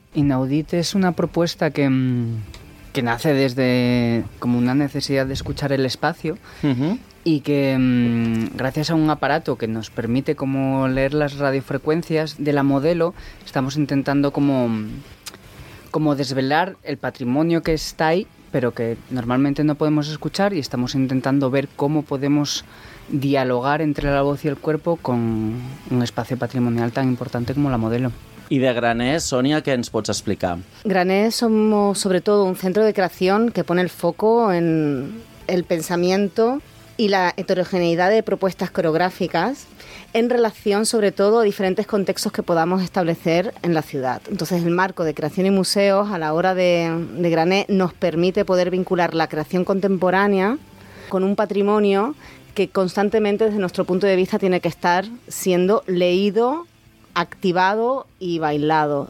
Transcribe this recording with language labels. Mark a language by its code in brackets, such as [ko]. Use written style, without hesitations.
[es] Inaudit es una propuesta que nace desde como una necesidad de escuchar el espacio y que gracias a un aparato que nos permite como leer las radiofrecuencias de la modelo, estamos intentando como desvelar el patrimonio que está ahí, pero que normalmente no podemos escuchar, y estamos intentando ver cómo podemos dialogar entre la voz y el cuerpo con un espacio patrimonial tan importante como la modelo. [ca] I de Graner, Sònia, què ens pots explicar? [es] Graner somos sobre todo un centro de creación que pone el foco en el pensamiento y la heterogeneidad de propuestas coreográficas en relación sobre todo a diferentes contextos que podamos establecer en la ciudad. Entonces el marco de creación y museos a la hora de Graner nos permite poder vincular la creación contemporánea con un patrimonio que constantemente desde nuestro punto de vista tiene que estar siendo leído, activado y bailado.